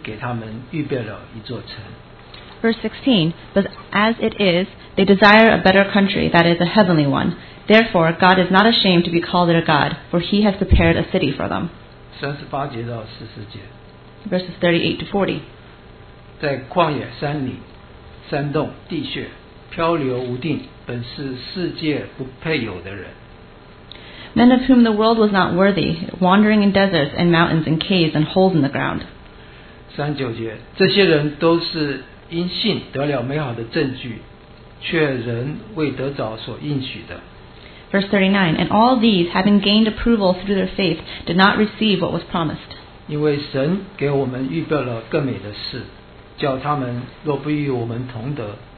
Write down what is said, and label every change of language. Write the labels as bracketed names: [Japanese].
[Chinese] 就是在天上的，所以神被称为他们的神，并不以为耻，因为他已经给他们预备了一座城。Verse [English] 16, but as it is, they desire a better country, that is a heavenly one. Therefore, God is not ashamed to be called their God, for He has prepared a city for them. [Chinese] 38节。在旷野山里，山洞地穴。漂流无定, [English] Men of whom the world was not worthy, wandering in deserts and mountains and caves and holes in the ground. [Chinese] 39节,这些人都是因信得了美好的证据,却仍未得着所应许的。 [English] Verse 39, And all these, having gained approval through their faith, did not receive what was promised. [Chinese] 因为神给我们预备了更美的事,叫他们若不与我们同德,